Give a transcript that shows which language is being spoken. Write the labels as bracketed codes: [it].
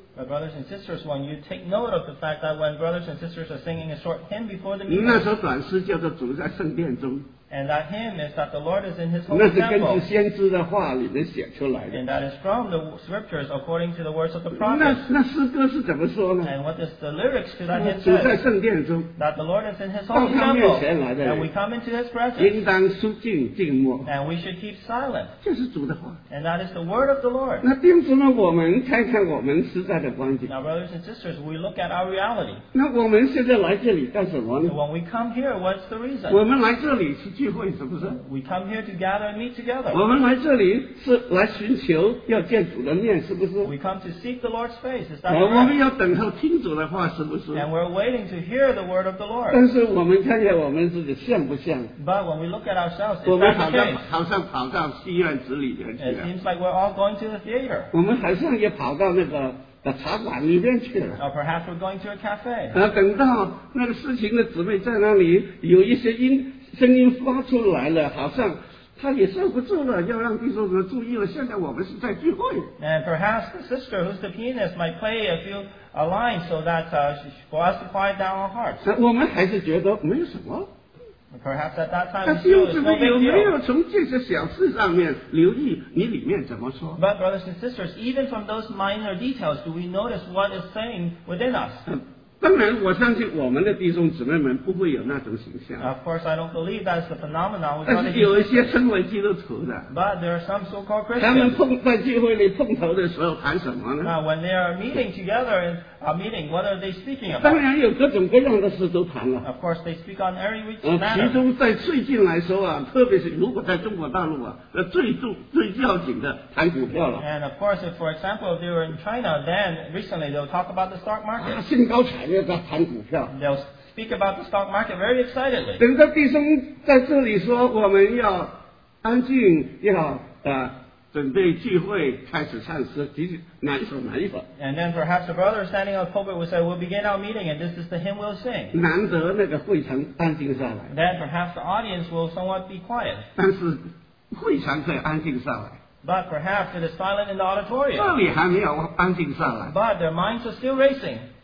[en] My brothers and sisters, when you take note of the fact that when brothers and sisters are singing a short hymn before the meeting, [zh] 那首短诗叫做主在圣殿中。 [en] And that hymn is that the Lord is in His holy temple. [zh] 那是根据先知的话里面写出来的。 [en] And that is from the scriptures according to the words of the prophet. [zh] 那诗歌是怎么说呢？ [en] And what is the lyrics to that hymn? [zh] 主在圣殿中。 [en] That the Lord is in His holy temple. [zh] 到他面前来的。 [en] And we come into His presence. [zh] 应当肃静静默。 [en] And we should keep silent. [zh] 这是主的话。 [en] And that is the word of the Lord. [zh] 那弟兄们，我们看看我们实在的光景。 [en] Now brothers and sisters, we look at our reality. [zh] 那我们现在来这里干什么呢？ [en] So when we come here, what's the reason? [zh] 我们来这里是聚会是不是？ [en] We come here to gather and meet together. [zh] 我们来这里是来寻求要见主的面是不是？ [en] We come to seek the Lord's face. Is that right? [zh] 我们要等候听主的话是不是？ [en] And we're waiting to hear the word of the Lord. [zh] 但是我们看见我们自己像不像？ [en] But when we look at ourselves, is that the case? [zh] 我们好像跑到戏院子里边去了。 [en] It seems like we're all going to the theater. [zh] 我们好像也跑到那个茶馆里面去了。 [en] Or perhaps we're going to a cafe. [zh] 等到那个事情的姊妹在那里有一些声音发出来了，好像他也受不住了，要让弟兄们注意了。现在我们是在聚会。 [en] And perhaps the sister who's the pianist might play a line so that for us to quiet down our hearts. [zh] 我们还是觉得没有什么。 [en] Perhaps at that time, [zh] 但弟兄姊妹有没有从这些小事上面留意你里面怎么说？ [en] But brothers and sisters, even from those minor details, do we notice what is saying within us? [zh] 当然，我相信我们的弟兄姊妹们不会有那种形象。 [en] Of course, I don't believe that's the phenomenon. [zh] 但是有一些称为基督徒的， [en] but there are some so-called Christians. [zh] 他们碰在聚会里碰头的时候谈什么呢？ [en] Now, when they are meeting together in a meeting, what are they speaking about? [zh] 当然有各种各样的事都谈了。 [en] Of course, they speak on every which matter. [zh] 其中在最近来说啊，特别是如果在中国大陆啊，最要紧的谈股票了。 [en] And of course, if for example, if they were in China, then recently they'll talk about the stock market. [zh] 兴高采烈。谈股票 [en] They'll speak about the stock market very excitedly. [zh] 等到弟兄在这里说我们要安静要准备聚会开始唱诗哪一首 [en] And then perhaps a brother standing on the pulpit will say we'll begin our meeting and this is the hymn we'll sing. [zh] 难得那个会场安静下来 [en] Then perhaps the audience will somewhat be quiet. [zh] 但是会场可以安静下来 [en] But perhaps it is silent in the auditorium. [zh] 这里还没有安静下来 [en] But their minds are still racing.